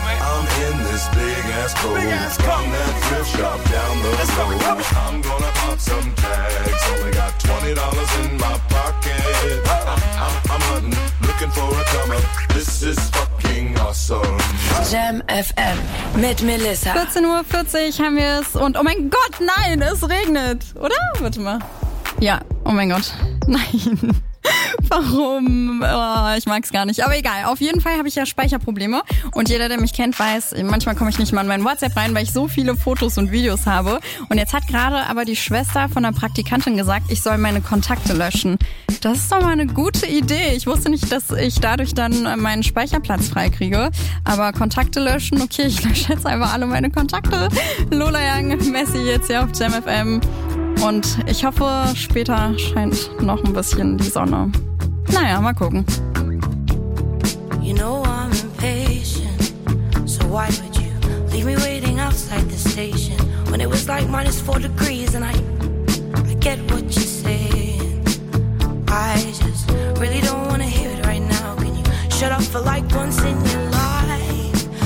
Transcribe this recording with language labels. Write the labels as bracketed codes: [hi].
[en] I'm in this big ass coat from that thrift shop down the road. I'm gonna pop some tags. Only got $20 in my pocket. I'm hunting, looking for a come up. This is fucking awesome. [de] Jam FM mit Melissa. 14.40 Uhr haben wir es und oh mein Gott, nein, es regnet, oder? Warte mal. Ja, oh mein Gott, nein. Warum? Oh, ich mag es gar nicht. Aber egal, auf jeden Fall habe ich ja Speicherprobleme. Und jeder, der mich kennt, weiß, manchmal komme ich nicht mal in mein WhatsApp rein, weil ich so viele Fotos und Videos habe. Und jetzt hat gerade aber die Schwester von der Praktikantin gesagt, ich soll meine Kontakte löschen. Das ist doch mal eine gute Idee. Ich wusste nicht, dass ich dadurch dann meinen Speicherplatz freikriege. Aber Kontakte löschen, okay, ich lösche jetzt einfach alle meine Kontakte. Lola Young, Messi jetzt hier auf Jam FM. Und ich hoffe, später scheint noch ein bisschen die Sonne. Naja, mal gucken. [en] You know I'm impatient. So why would you leave me waiting outside the station? When it was like -4 degrees and I get what you're saying. I just really don't want to hear it right now. Can you shut up for like once in your life?